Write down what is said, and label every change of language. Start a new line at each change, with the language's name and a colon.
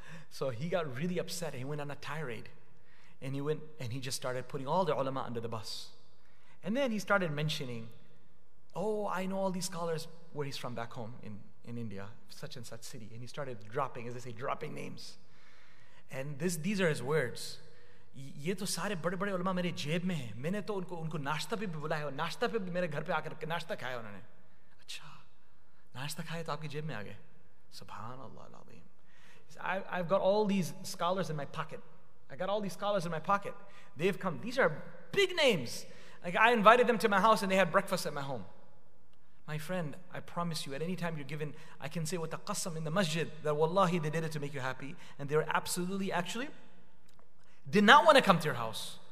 English: So he got really upset. He went on a tirade. And he went and he just started putting all the ulama under the bus. And then he started mentioning, oh, I know all these scholars, where he's from back home in India, such and such city. And he started dropping, as they say, dropping names. And these are his words.
Hindi: ये तो सारे बड़े बड़े उलमा मेरे जेब में हैं मैंने तो उनको उनको नाश्ता पे भी बुलाया और नाश्ता पे भी मेरे घर पे आकर नाश्ता खाया उन्होंने अच्छा नाश्ता खाया तो आपकी जेब में आ गए सुभान अल्लाह अलअज़ीम
English: I've got all these scholars in my pocket. I got all these scholars in my pocket. They've come. These are big names. Like, I invited them to my house and they had breakfast at my home. My friend, I promise you, at any time you're given, I can say with the qasam in the masjid that wallahi they did it to make you happy, and they're absolutely actually did not want to come to your house.